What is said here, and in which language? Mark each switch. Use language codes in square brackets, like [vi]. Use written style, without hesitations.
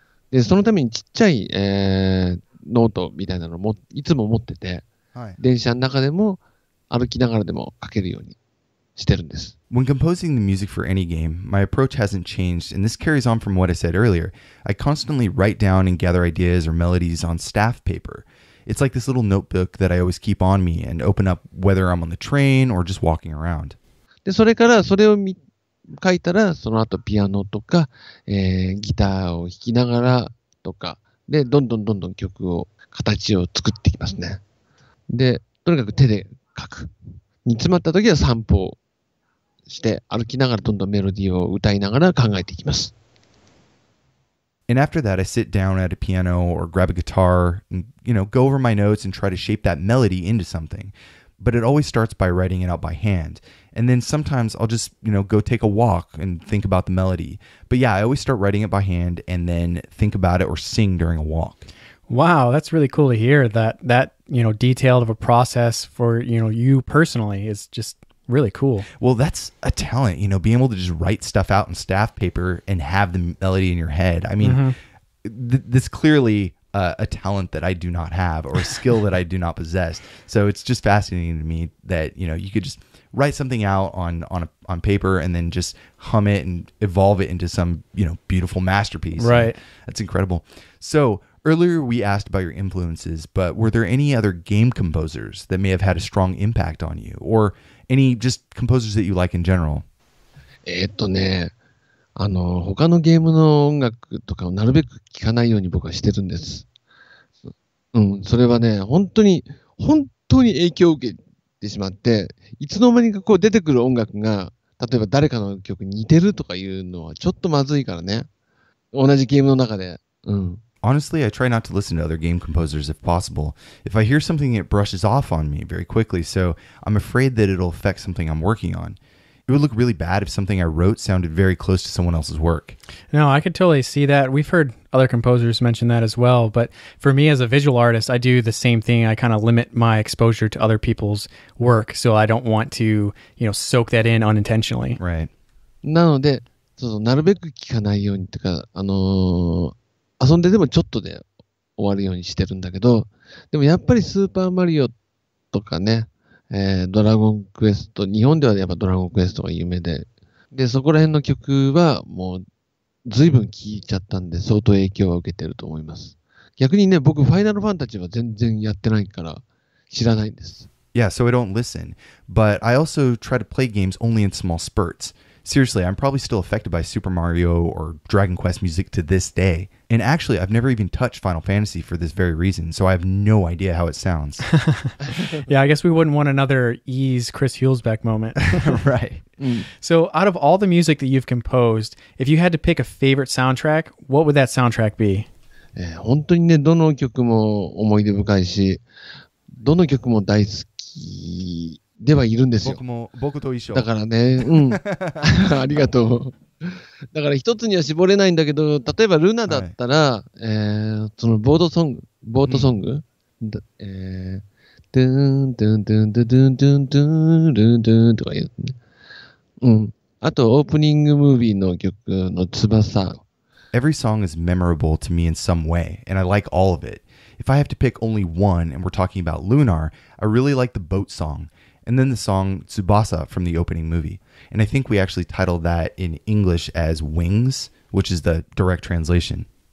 [ja] で、そのためにちっちゃい、ノートみたいなのもいつも持ってて、はい、電車の中でも歩きながらでも書けるようにしてるんです。 [en] When composing the music for any game, my approach hasn't changed, and this carries on from what I said earlier. I constantly write down and gather ideas or melodies on staff paper. It's like this little notebook that I always keep on me and open up whether I'm on the train or just walking around. [ja] で、それからそれを見て、書いたらその後ピアノとか、ギターを弾きながらとかでどんどんどんどん曲を形を作っていきますね。でとにかく手で書く。煮詰まった時は散歩をして歩きながらどんどんメロディーを歌いながら考えていきます。 [en] And after that, I sit down at a piano or grab a guitar and, you know, go over my notes and try to shape that melody into something. But it always starts by writing it out by hand. And then sometimes I'll just, you know, go take a walk and think about the melody. But yeah, I always start writing it by hand and then think about it or sing during a walk. Wow, that's really cool to hear that, that, you know, detailed of a process for, you know, you personally is just really cool. Well, that's a talent, you know, being able to just write stuff out in staff paper and have the melody in your head. I mean, this clearly a talent that I do not have or a skill that I do not possess. So it's just fascinating to me that, you know, you could just... write something out on paper and then just hum it and evolve it into some, you know, beautiful masterpiece. Right. That's incredible. So earlier we asked about your influences, but were there any other game composers that may have had a strong impact on you or any just composers that you like in general? [ja] あの、他のゲームの音楽とかをなるべく聞かないように僕はしてるんです。それはね、本当に影響を受けてしまっていつの間にかこう出てくる音楽が例えば誰かの曲に似てるとかいうのはちょっとまずいからね同じゲームの中で、 [en] Honestly, I try not to listen to other game composers if possible. If I hear something, it brushes off on me very quickly, so I'm afraid that it'll affect something I'm working on. It would look really bad if something I wrote sounded very close to someone else's work. No, I could totally see that. We've heard other composers mention that as well, but for me as a visual artist, I do the same thing. I kind of limit my exposure to other people's work, so I don't want to, you know, soak that in unintentionally. Right. [ja] なので、そうそう、なるべく聞かないようにとか、遊んででもちょっとで終わるようにしてるんだけど、でもやっぱりスーパーマリオとかね、ドラゴンクエスト、日本ではやっぱドラゴンクエストが有名で、で、そこら辺の曲はもう随分聴いちゃったんで、相当影響は受けてると思います。逆にね、僕、ファイナルファンタジーは全然やってないから知らないんです。 [en] Yeah, so I don't listen. But I also try to play games only in small spurts. Seriously, I'm probably still affected by Super Mario or Dragon Quest music to this day. And actually, I've never even touched Final Fantasy for this very reason, so I have no idea how it sounds. Yeah, I guess we wouldn't want another Ease Chris Hulsbeck moment. Right. So out of all the music that you've composed, if you had to pick a favorite soundtrack, what would that soundtrack be? [ja] 本当にね、どの曲も思い出深いし、どの曲も大好きではいるんですよ。僕と一緒。だからね、ありがとう。だから一つには絞れないんだけど、例えばルナだったら、はい、そのボードソング、ボードソング、ドゥンドゥンドゥンドゥンドゥンドゥンドゥンドゥンドゥンとか言う、あとオープニングムービーの曲の翼。 [en] Every song is memorable to me in some way, and I like all of it. If I have to pick only one, and we're talking about Lunar, I really like the boat song. And then the song Tsubasa from the opening movie. And I think we actually titled that in English as Wings, which is the direct translation.